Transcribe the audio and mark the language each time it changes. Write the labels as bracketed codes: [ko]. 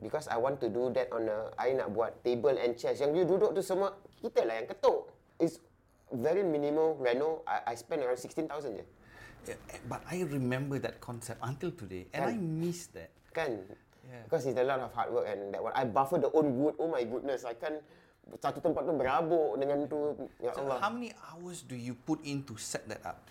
[en] Because I want to do that I [ms] nak buat [en] table and chairs. [ms] Yang you duduk tu semua kita lah yang ketuk. [en] It's very minimal reno. I spend around $16,000 [ms] je. [en] But I remember that concept until today, and kan? I miss that. Kan? Yeah. Because it's a lot of hard work and that one. I buffer the own wood. Oh my goodness, I can't. [ms] Satu tempat tu berabuk dengan tu. Ya Allah. [en] So how many hours do you put in to set that up?